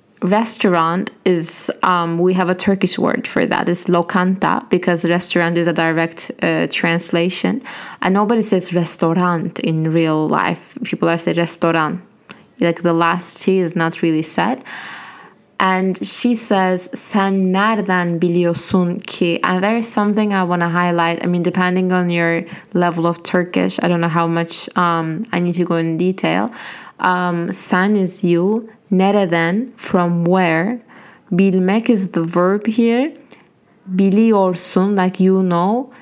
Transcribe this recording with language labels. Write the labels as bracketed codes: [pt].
[en] Restaurant is, we have a Turkish word for that. It's lokanta, because restaurant is a direct translation. And nobody says restaurant in real life. People are say restaurant. Like the last T is not really said. And she says, [tr] sen nereden biliyorsun ki? [en] And there is something I want to highlight. Depending on your level of Turkish, I don't know how much I need to go in detail. Sen is you. Nereden, from where. Bilmek is the verb here. Biliyorsun, like you know.